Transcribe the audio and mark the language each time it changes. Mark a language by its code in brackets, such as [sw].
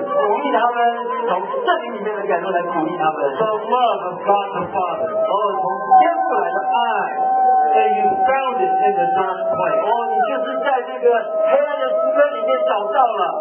[zh] 鼓励他们，从圣灵里面的感动来鼓励他们。 [en] The love of God the Father. [zh] 哦，从天父来的爱。 [en] And you found it in the dark place. [zh] 哦，你就是在这个黑暗的时刻里面找到了。